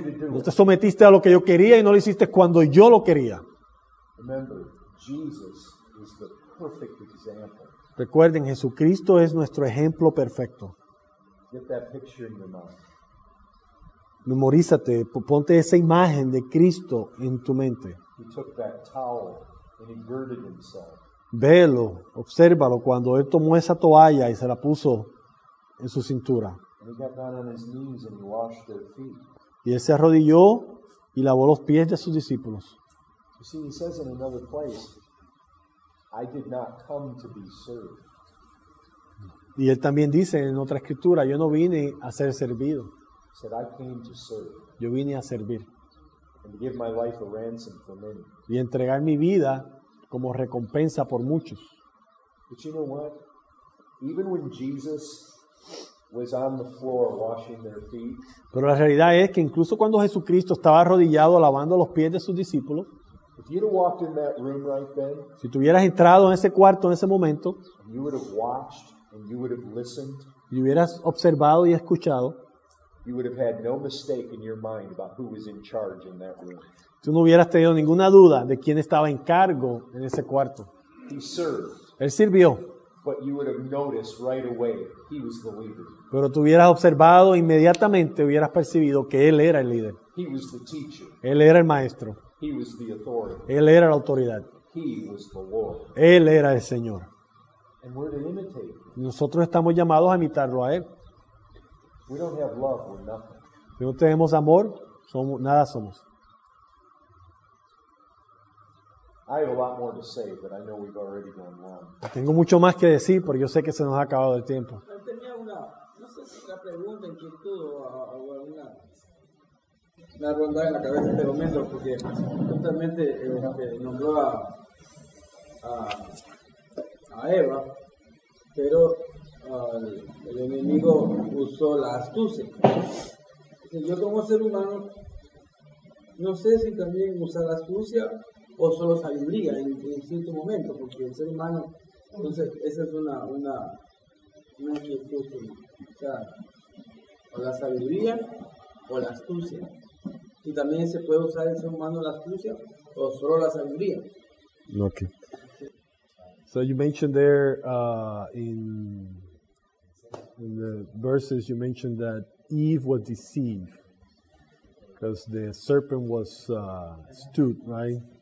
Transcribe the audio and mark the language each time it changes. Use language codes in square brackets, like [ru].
[es] No te sometiste a lo que yo quería y no lo hiciste cuando yo lo quería. [en] Remember, Jesus is the perfect example. [es] Recuerden, Jesucristo es nuestro ejemplo perfecto. [en] Get that picture in your mind. [es] Memorízate, ponte esa imagen de Cristo en tu mente. [en] He took that towel and he girded himself. [es] Velo, obsérvalo cuando él tomó esa toalla y se la puso en su cintura. [en] And he got down on his knees and he washed their feet. [es] Y él se arrodilló y lavó los pies de sus discípulos. [en] You see, he says in another place, I did not come to be served. [es] Y él también dice en otra escritura, yo no vine a ser servido. [en] He said, I came to serve. [es] Yo vine a servir. [en] And to give my life a ransom for many. [es] Y entregar mi vida como recompensa por muchos. [en] But you know what? Even when Jesus was on the floor washing their feet, [es] pero la realidad es que incluso cuando Jesucristo estaba arrodillado lavando los pies de sus discípulos, [en] If you'd have walked in that room right then, [es] si tú hubieras entrado en ese cuarto en ese momento, [en] and you would have watched and you would have listened, [es] y hubieras observado y escuchado, [en] you would have had no mistake in your mind about who was in charge in that room. [es] Tú no hubieras tenido ninguna duda de quién estaba en cargo en ese cuarto. [en] He served. [es] Él sirvió. [en] But you would have noticed right away he was the leader. [es] Pero tú hubieras observado inmediatamente, hubieras percibido que él era el líder. [en] He was the teacher. [es] Él era el maestro. [en] He was the authority. [es] Él era la autoridad. [en] He was the Lord. [es] Él era el Señor. [en] And we're to imitate him. [es] Nosotros estamos llamados a imitarlo a él. [en] We don't have love, we're nothing. [es] Si no tenemos amor, somos, nada somos. [en] I have a lot more to say, but I know we've already gone long. [es] Tengo mucho más que decir, pero yo sé que se nos ha acabado el tiempo. Tenía una, no sé si una pregunta, inquietud o alguna ronda en la cabeza de momento, porque justamente nombró a Eva, pero el enemigo usó la astucia. Yo como ser humano, no sé si también usar la astucia o solo sabiduría en cierto momento, porque el ser humano, entonces esa es una inquietud, o sea, o la sabiduría o la astucia, y también se puede usar el ser humano la astucia o solo la sabiduría. [en] Okay. So you mentioned there in the verses, you mentioned that Eve was deceived. Because the serpent was astute, right?